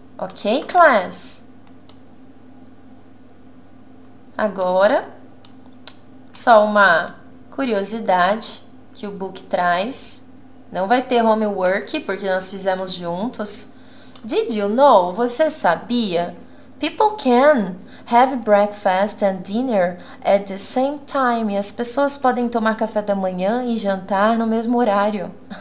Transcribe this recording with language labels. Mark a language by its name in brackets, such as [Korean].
[English] Ok, class? [Portuguese] Agora, só uma curiosidade que o book traz. Não vai ter homework porque nós fizemos juntos. [English] Did you know? [Portuguese] Você sabia [English] People can have breakfast and dinner at the same time. [Portuguese] As pessoas podem tomar café da manhã e jantar no mesmo horário.